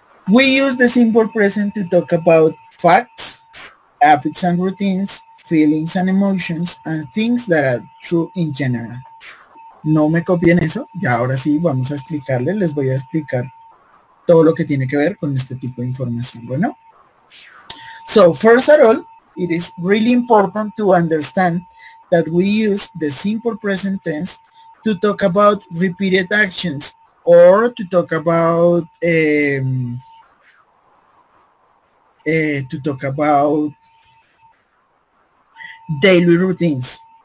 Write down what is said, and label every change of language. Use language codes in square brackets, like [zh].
[en] We use the simple present to talk about facts, habits and routines, feelings and emotions, and things that are true in general. [es] No me copien eso. Y ahora sí, vamos a explicarles. Les voy a explicar todo lo que tiene que ver con este tipo de información. Bueno. [en] So, first of all, it is really important to understand that we use the simple present tense to talk about repeated actions or to talk about daily routines.